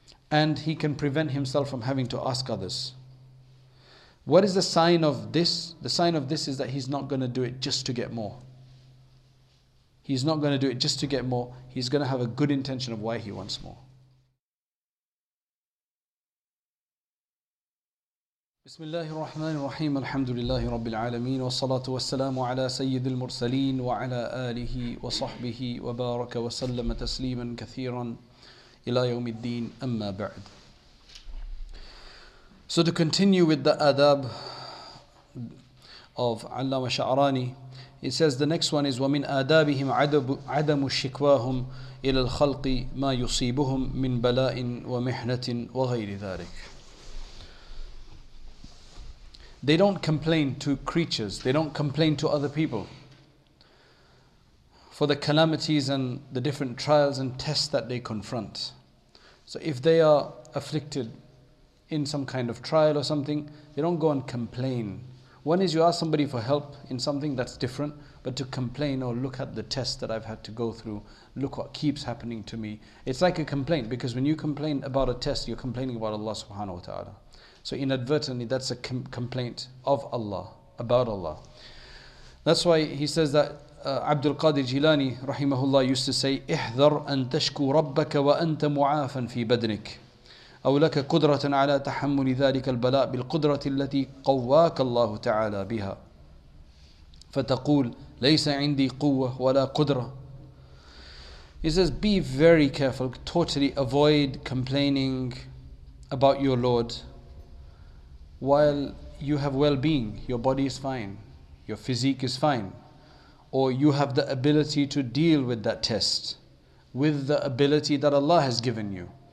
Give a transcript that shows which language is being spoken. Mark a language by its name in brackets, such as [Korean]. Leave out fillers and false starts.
[English] And he can prevent himself from having to ask others. What is the sign of this? The sign of this is that he's not going to do it just to get more. He's not going to do it just to get more. He's going to have a good intention of why he wants more. [Arabic] بسم الله الرحمن الرحيم الحمد لله رب العالمين والصلاة والسلام على سيد المرسلين وعلى آله وصحبه وبارك وسلم تسليما كثيرا إلى يوم الدين أما بعد. [English] So to continue with the adab of Allama Sha'rani, it says the next one is [Arabic] وَمِنْ آدَابِهِمْ عَدَمُ شِكْوَاهُمْ إِلَى الْخَلْقِ مَا يُصِيبُهُمْ مِنْ بَلَاءٍ وَمِحْنَةٍ وَغَيْرِ ذَلِكَ. [English] They don't complain to creatures, they don't complain to other people for the calamities and the different trials and tests that they confront. So if they are afflicted in some kind of trial or something, they don't go and complain. One is you ask somebody for help in something, that's different, but to complain, or look at the test that I've had to go through, look what keeps happening to me. It's like a complaint, because when you complain about a test, you're complaining about Allah subhanahu wa ta'ala. So inadvertently, that's a complaint of Allah, about Allah. That's why he says that Abdul Qadir Jilani, rahimahullah, used to say, [Arabic] احذر أن تشكو ربك وأنت معافا في بدنك أو لك قدرة على تحمل ذلك البلاء بالقدرة التي قواك الله تعالى بها فتقول ليس عندي قوة ولا قدرة. [English] He says, be very careful, totally avoid complaining about your Lord while you have well-being, your body is fine, your physique is fine, or you have the ability to deal with that test with the ability that Allah has given you.